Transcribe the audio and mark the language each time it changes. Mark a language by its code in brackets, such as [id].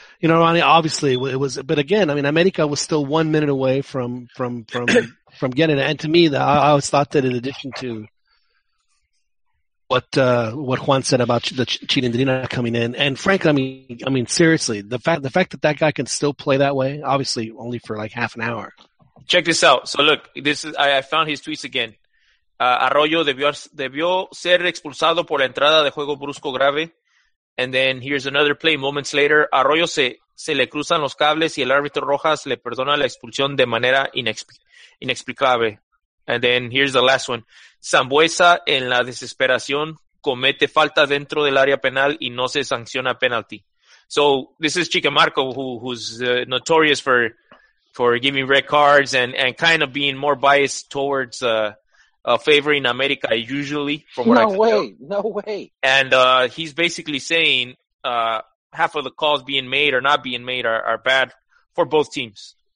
[en] You know, Ronnie, obviously it was, but again, I mean, America was still 1 minute away from getting it. And to me, I always thought that in addition to what Juan said about the Chirindrina coming in, and frankly, I mean, seriously, the fact that that guy can still play that way, obviously only for like half an hour. Check this out. So look, this is, I found his tweets again. [es] Arroyo debió ser expulsado por la entrada de juego brusco grave. [en] And then here's another play. Moments later, [es] Arroyo se le cruzan los cables y el árbitro Rojas le perdona la expulsión de manera inexplicable. [en] And then here's the last one. [es] Sambuesa, en la desesperación, comete falta dentro del área penal y no se sanciona penalty. [en] So this is Chica Marco, who's notorious for giving red cards and kind of being more biased towards favoring America usually from what no I can way tell. No way. And he's basically saying half of the calls being made or not being made are bad for both teams.